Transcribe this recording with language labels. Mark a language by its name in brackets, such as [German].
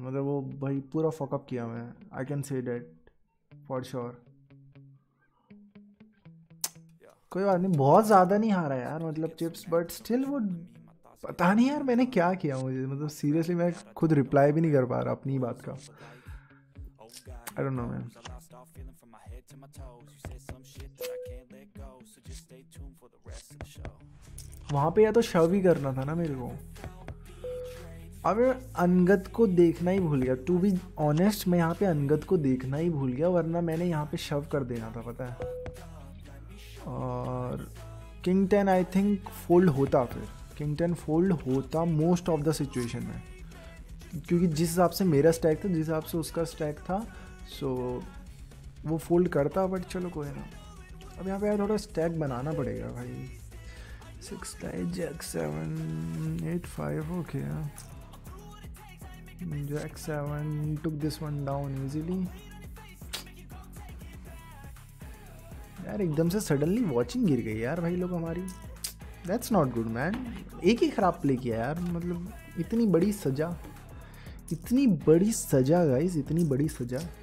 [Hindi] मतलब वो भाई पूरा फकअप किया मैं. [English] I can say that for sure. [Hindi] कोई बात नहीं. बहुत ज़्यादा नहीं हारा यार मतलब चिप्स. बट स्टिल वो पता नहीं यार मैंने क्या किया मुझे. मतलब सीरियसली मैं खुद रिप्लाई भी नहीं कर पा रहा अपनी ही बात का. [English] I don't know man. I lost all feeling from my head to my toes. You said some shit that I can't let go. So just stay tuned for the rest of the show. [Hindi] वहाँ पे या तो शव ही करना था ना मेरे को. अब अनगत को देखना ही भूल गया. [English] To be honest [Hindi] मैं यहाँ पे अनगत को देखना ही भूल गया. वरना मैंने यहाँ पे शव कर देना था पता है. और king ten I think fold होता. फिर किंग टेन फोल्ड होता [English] most of the situation [Hindi] में. क्योंकि जिस हिसाब से मेरा स्टैक था जिस हिसाब से उसका स्टैक था सो वो फोल्ड करता. बट चलो कोई ना. अब यहाँ पे यार थोड़ा स्टैक बनाना पड़ेगा भाई. 6 Jack 7 8 5 okay. [English] Jack 7 took this one down easily. [Hindi] यार एकदम से सडनली वॉचिंग गिर गई यार भाई लोग हमारी. [English] That's not good man. [Hindi] एक ही खराब प्ले किया यार. मतलब इतनी बड़ी सजा. इतनी बड़ी सजा गाइस. इतनी बड़ी सजा.